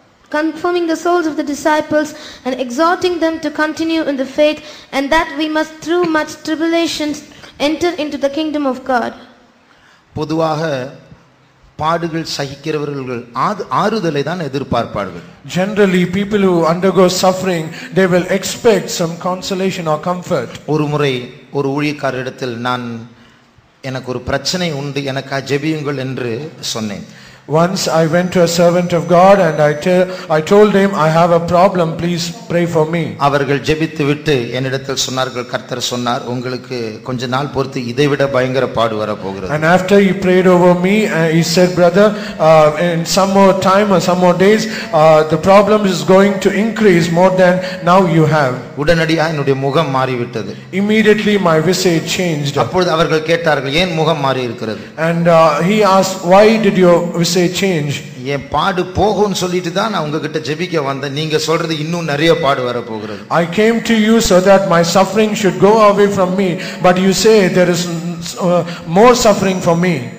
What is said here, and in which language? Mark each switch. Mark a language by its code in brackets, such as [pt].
[en] Confirming the souls of the disciples and exhorting them to continue in the faith, and that we must through much tribulations enter into the kingdom of God. [ta] பொதுவாக பாடுகள் சகிக்கிறவர்கள் ஆறுதலை தான் எதிர்பார்ப்பார்கள். [en] Generally people who undergo suffering they will expect some consolation or comfort. [ta] ஒருமுறை ஒரு ஊழியக்காரரிடத்தில் நான் எனக்கு ஒரு பிரச்சனை உண்டு எனக்கு ஜெபியுங்கள் என்று சொன்னேன். [en] Once I went to a servant of God and I told him I have a problem, please pray for me. [ta] அவர்கள் ஜெபித்து விட்டு என்னிடத்தில் சொன்னார்கள், கர்த்தர் சொன்னார் உங்களுக்கு கொஞ்ச நாள் பொறுத்து இதைவிட பயங்கர பாடு வர போகிறது. [en] And after he prayed over me he said, brother, in some more time or some more days the problem is going to increase more than now you have. [ta] உடனடியாக என்னுடைய முகம் மாறி விட்டது. [en] Immediately my visage changed. [ta] அப்பொழுது அவர்கள் கேட்டார்கள், ஏன் முகம் மாறி இருக்கிறது? [en] And he asked, why did your visage change? [ta] என் பாடு போகும்னு சொல்லிட்டு தான் நான் உங்ககிட்ட ஜெபிக்க வந்தேன், நீங்க சொல்றது இன்னும் நிறைய பாடு வர போகிறது. [en] I came to you so that my suffering should go away from me, but you say there is more suffering for me.